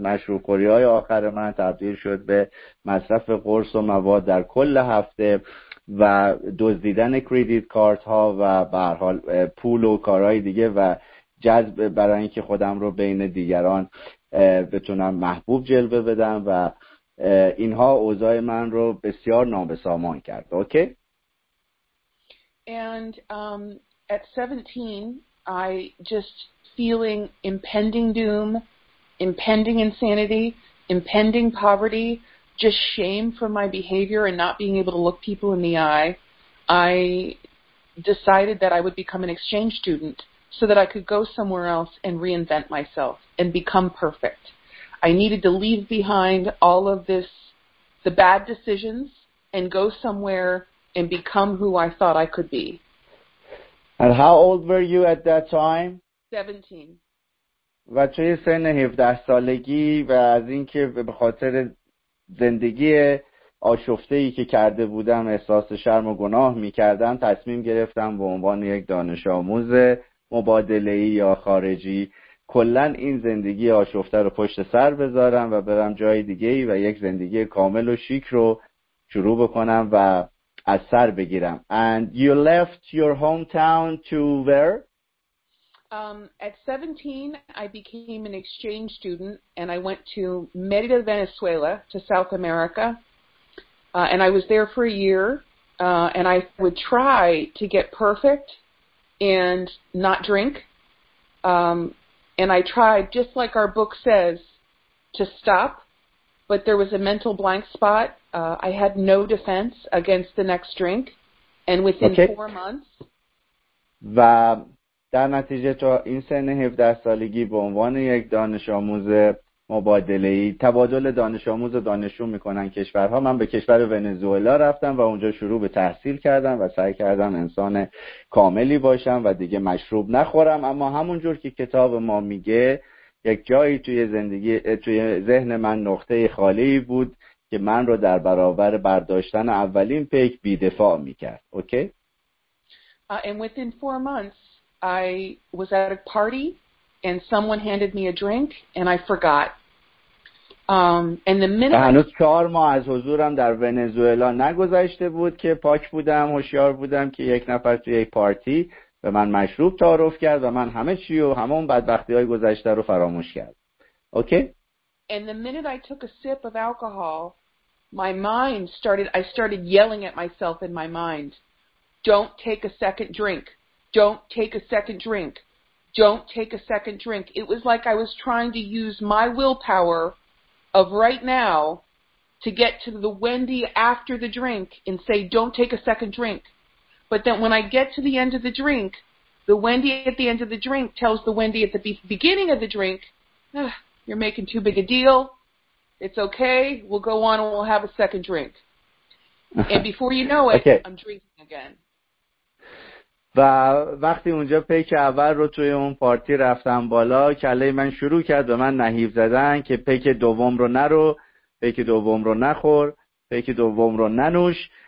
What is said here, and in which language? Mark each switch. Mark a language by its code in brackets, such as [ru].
[fa] مشروب خوری های آخر من تبدیل شد به مصرف قرص و مواد در کل هفته و دزدیدن کریدیت کارت ها و به هر حال پول و کارهای دیگه و جذب برای اینکه خودم رو بین دیگران بتونم محبوب جلوه بدم، و اینها اوضاع من رو بسیار نابسامان کرد. [en] Okay? And at 17 I just feeling impending doom, impending insanity, impending poverty, just shame for my behavior and not being able to look people in the eye. I decided that I would become an exchange student so that I could go somewhere else and reinvent myself and become perfect. I needed to leave behind all of this, the bad decisions, and go somewhere and become who I thought I could be. And how old were you at that time? 17. [fa] و توی سن 17 سالگی و از اینکه به خاطر زندگی آشفته‌ای که کرده بودم احساس شرم و گناه می‌کردم، تصمیم گرفتم به عنوان یک دانش آموز مبادله‌ای یا خارجی کلن این زندگی آشفته رو پشت سر بذارم و برم جای دیگه‌ای و یک زندگی کامل و شیک رو شروع بکنم و از سر بگیرم. [en] And you left your hometown to where? At 17 I became an exchange student and I went to Mérida, Venezuela, to South America. And I was there for a year and I would try to get perfect and not drink. And I tried, just like our book says, to stop, but there was a mental blank spot. I had no defense against the next drink, and within okay. 4 months. [fa] و در نتیجه تو این سن 17 سالگی به عنوان یک دانش آموز مبادله‌ای، تبادل دانش آموز و دانشجو میکنن کشورها، من به کشور ونزوئلا رفتم و اونجا شروع به تحصیل کردم و سعی کردم انسان کاملی باشم و دیگه مشروب نخورم. اما همونجور که کتاب ما میگه، یک جایی توی زندگی توی ذهن من نقطه خالی بود که من رو در برابر برداشتن اولین پیک بی‌دفاع میکرد. [en] Okay? And within 4 months I was at a party and someone handed me a drink and I forgot. And the minute [fa] هنوز 4 ماه از حضورم در ونزوئلا نگذشته بود که پاک بودم، هوشیار بودم که یک نفر توی یک پارتی به من مشروب تعارف کرد و من همه چی و همون بدبختی‌های گذشته رو فراموش کرد. [en] Okay? And the minute I took a sip of alcohol, my mind started I started yelling at myself in my mind. Don't take a second drink. Don't take a second drink. Don't take a second drink. It was like I was trying to use my willpower of right now to get to the Wendy after the drink and say, don't take a second drink. But then when I get to the end of the drink, the Wendy at the end of the drink tells the Wendy at the beginning of the drink, you're making too big a deal. It's okay. We'll go on and we'll have a second drink. And before you know it, okay. I'm drinking again. [fa] و وقتی اونجا پیک اول رو توی اون پارتی رفتم بالا، کله من شروع کرد و من نهیب زدن که پیک دوم رو نرو، پیک دوم رو نخور، پیک دوم رو ننوش.